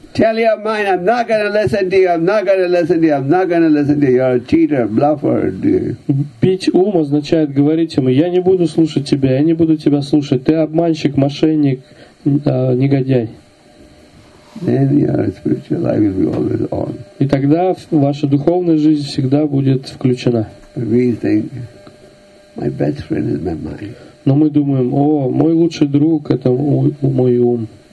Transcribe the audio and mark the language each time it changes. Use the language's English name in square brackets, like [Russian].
[English] Tell your mind, I'm not going to listen to you, I'm not going to listen to you, I'm not going to listen to you, you're a cheater, bluffer. [Russian] Бить ум означает говорить ему, я не буду слушать тебя, я не буду тебя слушать, ты обманщик, мошенник, негодяй. [English] Then your spiritual life will be always on. [Russian] И тогда ваша духовная жизнь всегда будет включена. [English] We think, my best friend is my mind. [Russian] Но мы думаем, о, мой лучший друг, это мой ум.